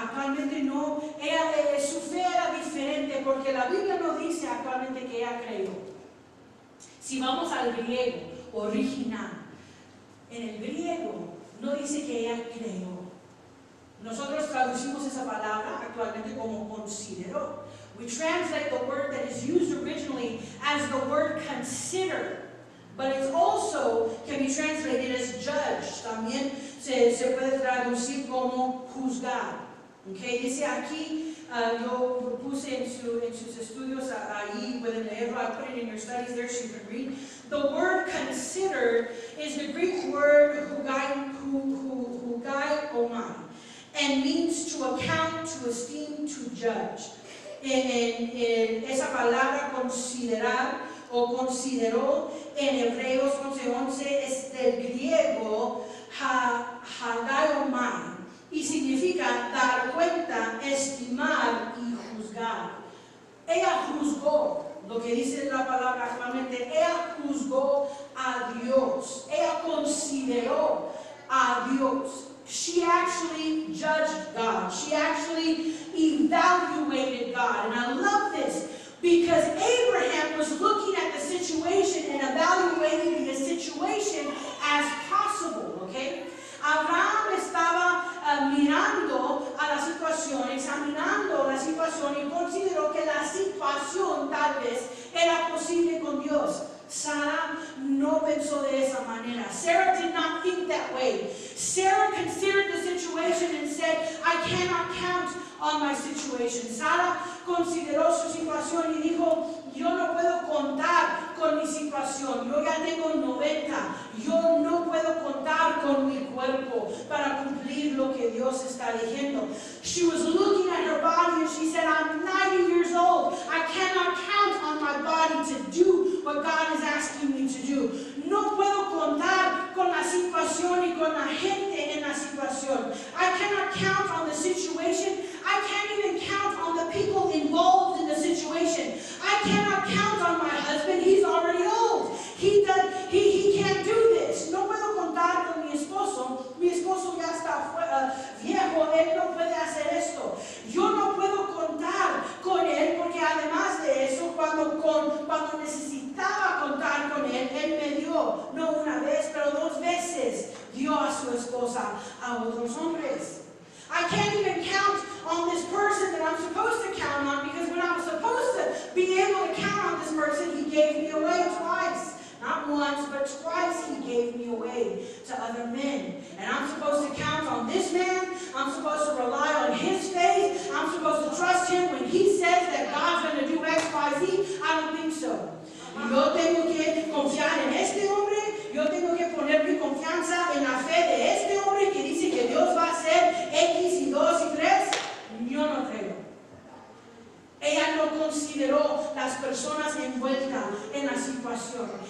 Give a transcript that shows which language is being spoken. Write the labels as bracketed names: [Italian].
[Spanish] Actualmente no, su fe era diferente porque la Biblia no dice actualmente que ella creyó. Si vamos al griego original, en el griego no dice que ella creyó. Nosotros traducimos esa palabra actualmente como consideró. [English] We translate the word that is used originally as the word consider, but it also can be translated as judge. [Spanish] También se puede traducir como juzgar. Okay, dice aquí, yo puse en sus estudios ahí, pueden leerlo, [English] I put it in your studies there so you can read. The word consider is the Greek word hugaiomai, and means to account, to esteem, to judge. [Spanish] En esa palabra considerar o consideró en Hebreos 11:11 es del griego hagaiomai. Y significa dar cuenta, estimar y juzgar. Ella juzgó, lo que dice la palabra actualmente, ella juzgó a Dios. Ella consideró a Dios. [English] She actually judged God. She actually evaluated God. And I love this because Abraham was looking at the situation and evaluating the situation as possible, okay? [Spanish] Abraham estaba mirando a la situación, examinando la situación y consideró que la situación tal vez era posible con Dios. Sara no pensó de esa manera. [English] Sarah did not think that way. Sarah considered the situation and said, I cannot count on my situation. [Spanish] Sara consideró su situación y dijo, yo no puedo contar con mi situación. Yo ya tengo 90. Yo no puedo contar con mi cuerpo para cumplir lo que Dios está diciendo. [English] She was looking at her body and she said, I'm 90 years old. I cannot count on my body to do what God is asking me to do. [Spanish] No puedo contar con la situación y con la gente en la situación. [English] I cannot count on the situation. I can't even count on the people involved in the situation. I cannot count on my husband. He's already old. He can't do this. [Spanish] No puedo contar con mi esposo. Mi esposo ya está viejo. Él no puede hacer esto. Yo no puedo contar con él porque además de eso, cuando necesitaba contar con él, él me dio, no una vez, pero dos veces, dio a su esposa, a a otros hombres. [English] I can't even count on this person that I'm supposed to count on, because when I was supposed to be able to count on this person, he gave me away twice. Not once, but twice he gave me away to other men. And I'm supposed to count on this man. I'm supposed to rely on his faith. I'm supposed to trust him when he says that God's going to do X, Y, Z. I don't think so. [Spanish] Yo tengo que confiar en este hombre. Yo tengo que poner mi confianza en la fe de este hombre que dice que Dios va a hacer X y dos y tres. Yo no creo. Ella no consideró las personas envueltas en la situación.